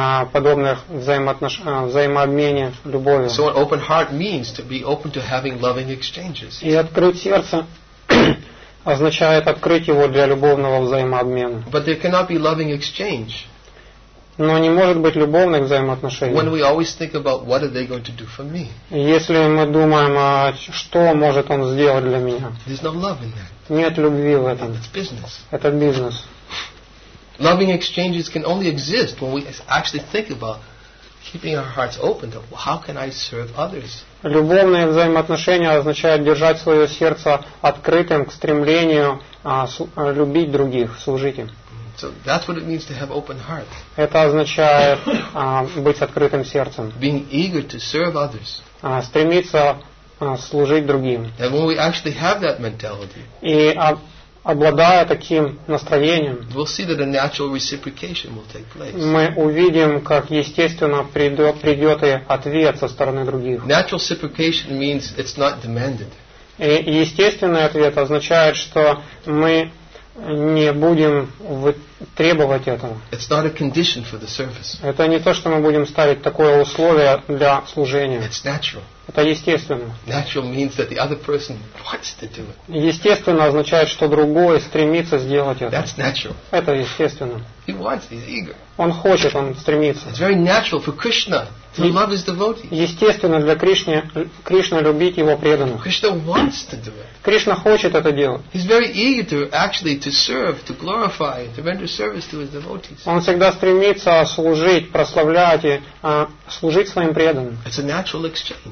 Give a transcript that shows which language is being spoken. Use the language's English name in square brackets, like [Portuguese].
[Russian] Подобных взаимообмене любовью. [English] So an open heart means to be open to having loving exchanges. [Russian] И открыть сердце означает открыть его для любовного взаимообмена. [English] But there cannot be loving exchange. [Russian] Но не может быть любовных взаимоотношений. [English] When we always think about what are they going to do for me. [Russian] Если мы думаем, а что может он сделать для меня? [English] There's no love in that. [Russian] Нет любви в этом. [English] It's business. [Russian] Это бизнес. [English] Loving exchanges can only exist when we actually think about keeping our hearts open to how can I serve others. [Russian] Любовные взаимоотношения означают держать свое сердце открытым к стремлению любить других, служить им. [English] So that's what it means to have open heart. [Russian] Это означает быть с открытым сердцем. [English] Being eager to serve others. [Russian] Стремиться служить другим. [English] And when we actually have that mentality. [Russian] И обладая таким настроением, [English] we'll see that a natural reciprocation will take place. [Russian] Мы увидим, как естественно придет и ответ со стороны других. [English] Natural reciprocation means it's not demanded. [Russian] И естественный ответ означает, что мы не будем требовать этого. [English] It's not a condition for the service. [Russian] Это не то, что мы будем ставить такое условие для служения. [English] It's natural. [Russian] Это естественно. [English] Natural means that the other person wants to do it. [Russian] Естественно означает, что другой стремится сделать это. [English] That's natural. [Russian] Это естественно. [English] He wants, he's eager. [Russian] Он хочет, он стремится. [English] It's very natural for Krishna to love his devotees. [Russian] Естественно для Кришны, Кришна любить его преданных. [English] Krishna wants to do it. [Russian] Кришна хочет это делать. [English] He's very eager to actually to serve, to glorify, to render service to his devotees. [Russian] Он всегда стремится служить, прославлять и служить своим преданным. [English] It's a natural exchange.